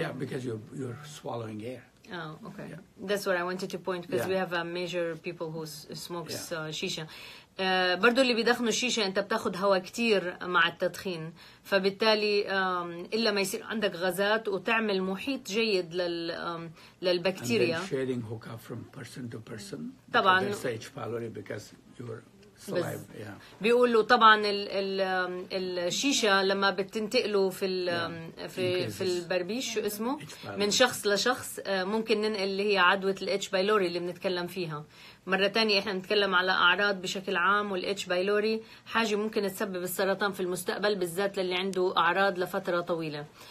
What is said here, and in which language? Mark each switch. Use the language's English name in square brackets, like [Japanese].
[English] Yeah, because you're swallowing air. Oh, okay. Yeah. That's what I wanted to point, because yeah. we have a major people who smokes yeah. Shisha. [Arabic] برضو اللي بيدخنوا شيشة أنت بتاخد هواء كتير مع التدخين, فبالتالي إلا ما يصير عندك غازات وتعمل محيط جيد للبكتيريا. [English] And then sharing hookah from person to person. [Arabic] طبعا. [English] H pylori because your saliva. Yeah. [Arabic] بيقولوا طبعا ال الشيشة لما بتنتقلوا في ال في البربيش شو اسمه من شخص لشخص ممكن ننقل اللي هي عدوى ال H pylori اللي بنتكلم فيها. مرة تانية احنا نتكلم على اعراض بشكل عام, والH pylori حاجة ممكن تسبب السرطان في المستقبل, بالذات للي عنده اعراض لفترة طويلة.